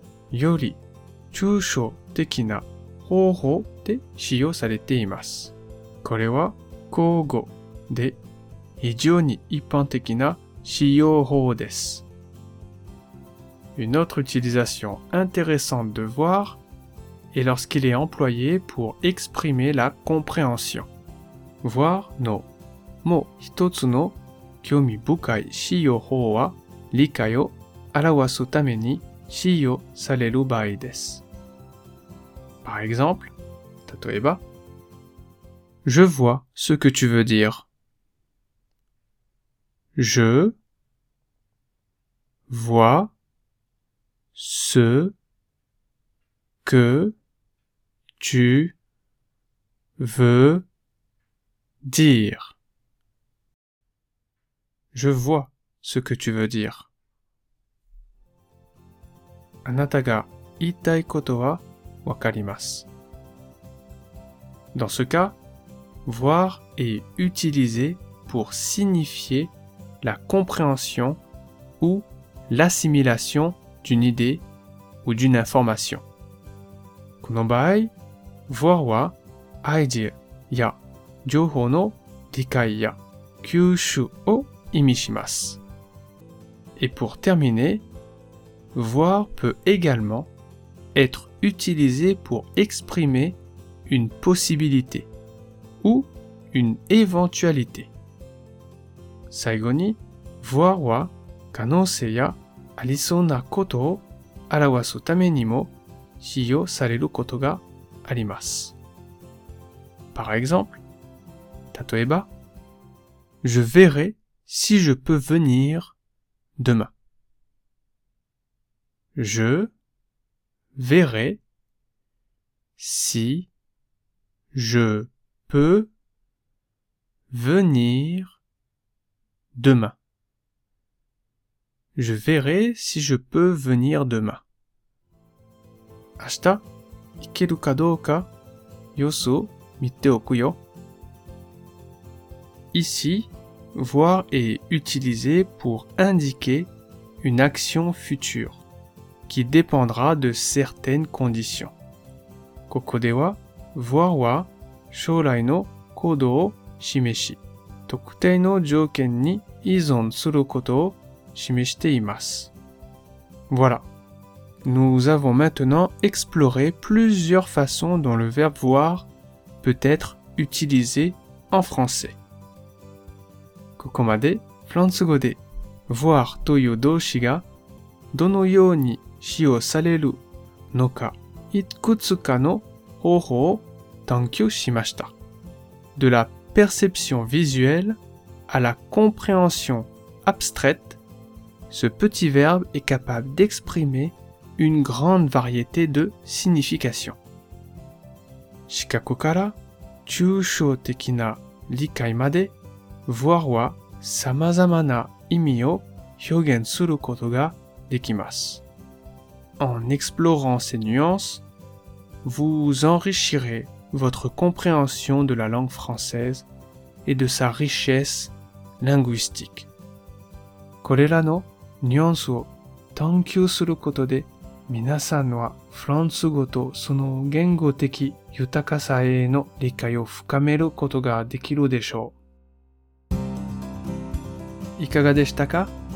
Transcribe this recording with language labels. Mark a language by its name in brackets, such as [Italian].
[Japanese] より抽象的な方法で使用されています。これは口語で非常に一般的な使用法です。 [French] Une autre utilisation intéressante de voir est lorsqu'il est employé pour exprimer la compréhension. [Japanese] Voir のもう一つの興味深い使用法は理解を表すために使用される場合です。 [French] Par exemple, [Japanese] 例えば、 [French] Je vois ce que tu veux dire. Je vois ce que tu veux dire. Je vois ce que tu veux dire. [Japanese] あなたが言いたいことはわかります。 [French] Dans ce cas, voir est utilisé pour signifier la compréhension ou l'assimilation d'une idée ou d'une information. [Japanese] この場合、voir はアイディアや情報の理解や吸収を意味します。 [French] Et pour terminer,Voir peut également être utilisé pour exprimer une possibilité ou une éventualité. [Japanese] 最後に、voir は可能性やありそうなことを表すためにも使用されることがあります。 [French] Par exemple, [Japanese] 例えば、 [French] Je verrai si je peux venir demain. Je verrai si je peux venir demain. Je verrai si je peux venir demain. [Japanese] 明日、行けるかどうか、様子を見ておくよ。 [French] Ici, voir est utilisé pour indiquer une action future qui dépendra de certaines conditions. [Japanese] ここでは、voir は将来の行動を示し、特定の条件に依存することを示しています。 [French] Voilà. Nous avons maintenant exploré plusieurs façons dont le verbe voir peut être utilisé en français. [Japanese] ここまで、フランス語で、voir という動詞がどのように使用されるのか、いくつかの方法を探求しました。 [French] De la perception visuelle à la compréhension abstraite, ce petit verbe est capable d'exprimer une grande variété de significations. [Japanese] 視覚から抽象的な理解まで、voir は様々な意味を表現することができます。 [French] En explorant ces nuances, vous enrichirez votre compréhension de la langue française et de sa richesse linguistique. [Japanese] これらのニュアンスを探求することで、皆さんはフランス語とその言語的豊かさへの理解を深めることができるでしょう。いかがでしたか？